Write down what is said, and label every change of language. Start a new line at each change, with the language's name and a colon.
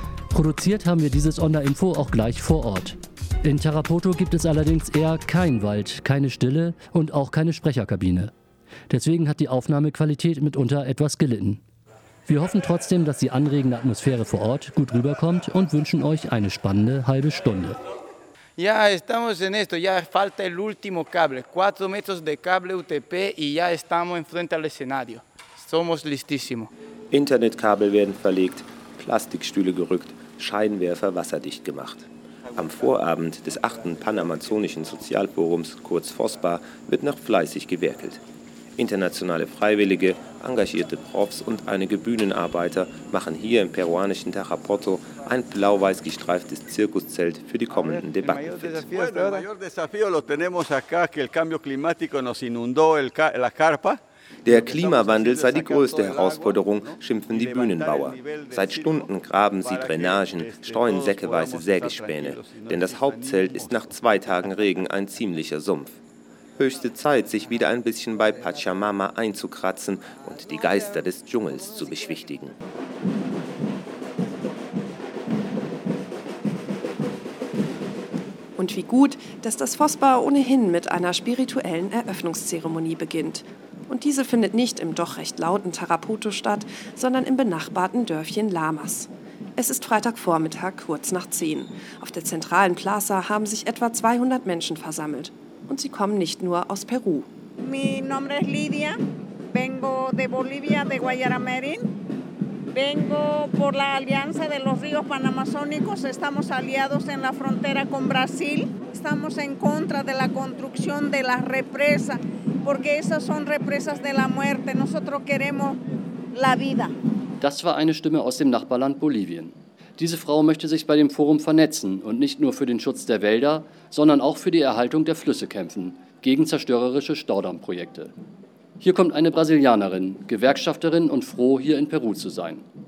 German: Produziert haben wir dieses Onda-Info auch gleich vor Ort. In Tarapoto gibt es allerdings eher keinen Wald, keine Stille und auch keine Sprecherkabine. Deswegen hat die Aufnahmequalität mitunter etwas gelitten. Wir hoffen trotzdem, dass die anregende Atmosphäre vor Ort gut rüberkommt und wünschen euch eine spannende halbe Stunde.
Spanish: Ya estamos en esto, ya falta el último cable. 4 metros de cable UTP y ya estamos enfrente al escenario. Somos listísimos.
German: Internetkabel werden verlegt, Plastikstühle gerückt, Scheinwerfer wasserdicht gemacht. Am Vorabend des 8. Panamazonischen Sozialforums, kurz FOSPA, wird noch fleißig gewerkelt. Internationale Freiwillige, engagierte Profs und einige Bühnenarbeiter machen hier im peruanischen Tarapoto ein blau-weiß gestreiftes Zirkuszelt für die kommenden Debatten fit.
Spanish: El mayor desafío lo tenemos acá, que el cambio climático nos inundó la carpa.
German: Der Klimawandel sei die größte Herausforderung, schimpfen die Bühnenbauer. Seit Stunden graben sie Drainagen, streuen säckeweise Sägespäne. Denn das Hauptzelt ist nach 2 Tagen Regen ein ziemlicher Sumpf. Höchste Zeit, sich wieder ein bisschen bei Pachamama einzukratzen und die Geister des Dschungels zu beschwichtigen. Und wie gut, dass das FOSPA ohnehin mit einer spirituellen Eröffnungszeremonie beginnt. Und diese findet nicht im doch recht lauten Tarapoto statt, sondern im benachbarten Dörfchen Lamas. Es ist Freitagvormittag, kurz nach 10. Auf der zentralen Plaza haben sich etwa 200 Menschen versammelt. Und sie kommen nicht nur aus Peru.
Spanish: Mi nombre es Lidia, vengo de Bolivia, de Guayaramerín. Vengo por la alianza de los ríos panamazónicos. Estamos aliados en la frontera con Brasil. Estamos en contra de la construcción de la represa. Porque esas son represas de la muerte. Nosotros queremos la vida.
German: Das war eine Stimme aus dem Nachbarland Bolivien. Diese Frau möchte sich bei dem Forum vernetzen und nicht nur für den Schutz der Wälder, sondern auch für die Erhaltung der Flüsse kämpfen, gegen zerstörerische Staudammprojekte. Hier kommt eine Brasilianerin, Gewerkschafterin und froh, hier in Peru zu sein.